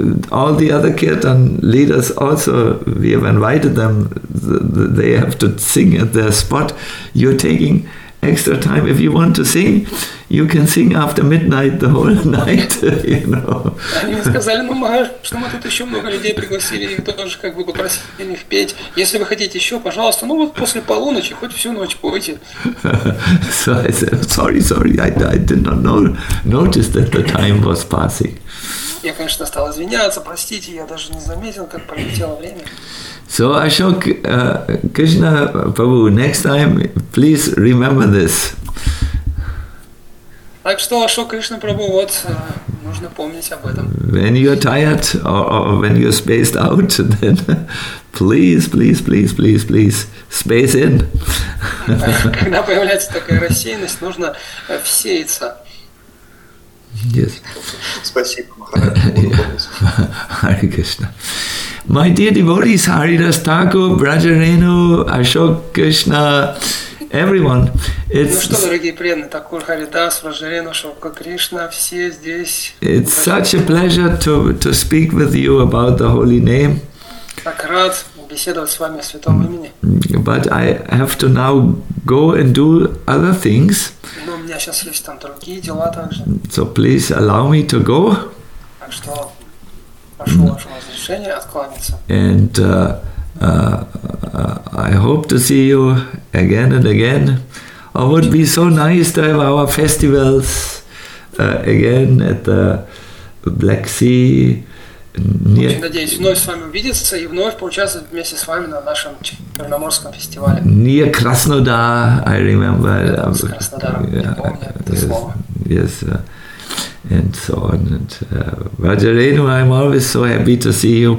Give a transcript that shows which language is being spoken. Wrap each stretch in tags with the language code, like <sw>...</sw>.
<en>All the other kirtan leaders also, we have invited them, they have to sing at their spot. You're taking extra time. If you want to sing, you can sing after midnight the whole night, you know.</en> <ru>Они сказали, ну, Махараш, что мы тут еще много людей пригласили, и тоже как бы попросили их петь. Если вы хотите еще, пожалуйста, ну вот после полуночи, хоть всю ночь пойте.</ru> <en>So I said, sorry, I did not notice that the time was passing.</en> <ru>Я, конечно, стал извиняться, простите, я даже не заметил, как пролетело время.</ru> <en>So Ashok, Krishna Prabhu, next time, please remember this.</en> <ru>Так что, Ашок Кришна Прабху, вот, нужно помнить об этом.</ru> <en>When you're tired or when you're spaced out, then please, space in.</en> <ru>Когда появляется такая рассеянность, нужно всеяться.</ru> <en>Yes.</en> <ru>Спасибо.</ru> <en>Hare Krishna. My dear devotees, Haridas Thakur, Brajarenu, Ashok Krishna, everyone.</en> <ru>Ну что, дорогие преданные, Такур Харидас, Брожарену, Шовка Кришна, все здесь.</ru> <en>It's such a pleasure to speak with you about the holy name.</en> <ru>Так рад беседовать с вами о святом имени.</ru> <en>But I have to now go and do other things.</en> <ru>Ну, у меня сейчас есть там другие дела также.</ru> <en>So please allow me to go.</en> <ru>Так что прошу вашего разрешения откланяться.</ru> <en>And I hope to see you again and again. Oh, it would be so nice to have our festivals again at the Black Sea.</en> <ru>Очень надеюсь вновь с вами увидеться и вновь поучаствовать вместе с вами на нашем Черноморском фестивале.</ru> <en>Near Krasnodar, I remember.</en> <ru>С Краснодаром, я помню это слово.</ru> <en>Yes, and so on. And Vajarenu, I'm always so happy to see you.</en>